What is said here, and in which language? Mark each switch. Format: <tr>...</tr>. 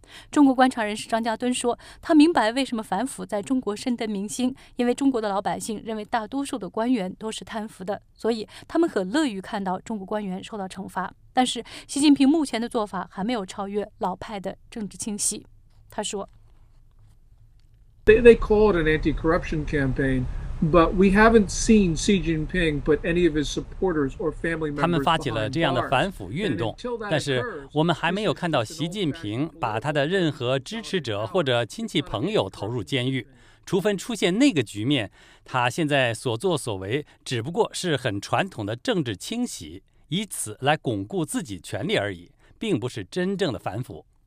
<zh>中国观察人士张家敦说，他明白为什么反腐在中国深得民心，因为中国的老百姓认为大多数的官员都是贪腐的，所以他们很乐于看到中国官员受到惩罚。但是，习近平目前的做法还没有超越老派的政治清洗。他说</zh> <en>：“They call it an anti-corruption campaign.” But we haven't seen Xi Jinping put any of his supporters or family members.</en> <zh>他们发起了这样的反腐运动，但是我们还没有看到习近平把他的任何支持者或者亲戚朋友投入监狱。除非出现那个局面，他现在所作所为只不过是很传统的政治清洗，以此来巩固自己权力而已，并不是真正的反腐。</zh>